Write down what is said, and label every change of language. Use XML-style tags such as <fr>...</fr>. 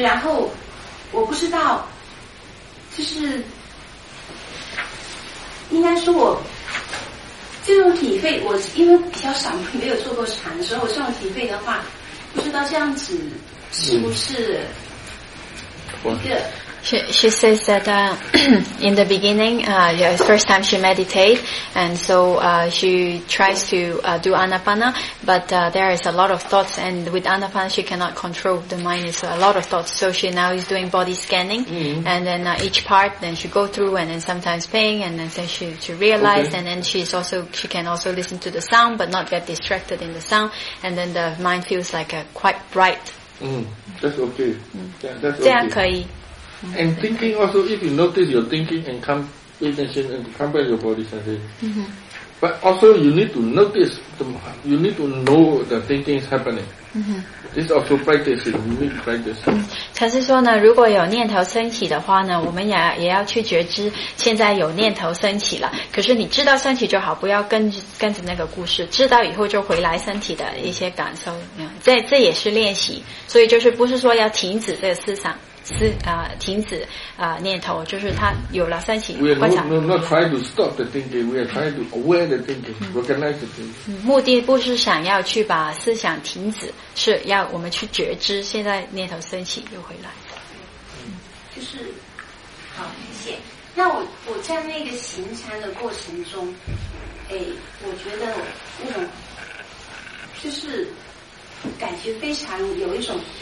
<zh>然后我不知道，就是应该说我。这种体会，我因为比较少，没有做过禅，所以我这种体会的话，不知道这样子是不是一个。</zh> <en>She says that in the beginning, first time she meditate, and so she tries to do anapana, but there is a lot of thoughts, and with anapana she cannot control the mind. It's a lot of thoughts, so she now is doing body scanning, and then each part, then she go through, and then sometimes pain, and then she realize, and then she can also listen to the sound, but not get distracted in the sound, and then the mind feels like quite bright. That's okay. Yeah, that's okay.</en> <zh>这样可以。</zh> <en>And thinking also, if you notice your thinking and come pay attention and come back your body sensation. But also you need to notice, you need to know the thinking is happening. This also practice is need practice.</en> <zh>他是说呢，如果有念头升起的话呢，我们也要去觉知，现在有念头升起了。可是你知道升起就好，不要跟着那个故事，知道以后就回来身体的一些感受。这也是练习，所以就是不是说要停止这个思想。停止念头，就是他有了升起观察。</zh> <en>We are not trying to stop the thinking. We are trying to aware the thinking, recognize the thinking.</en> <zh>目的不是想要去把思想停止，是要我们去觉知现在念头升起又回来。就是好，谢谢。那我在那个行禅的过程中，我觉得就是感觉非常有一种。</zh>